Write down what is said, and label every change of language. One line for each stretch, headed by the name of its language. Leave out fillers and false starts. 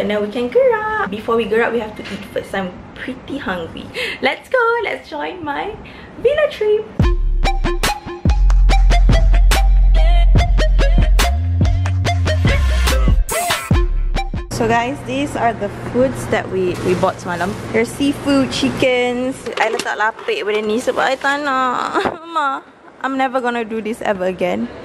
English: And then we can gerak. Before we gerak, we have to eat first. I'm pretty hungry. Let's go. Let's join my villa trip. So guys, these are the foods that we bought semalam. There's seafood, chickens.
Malay: I letak lapik pada ni sebab I tak nak.
English: Ma, I'm never gonna do this ever again.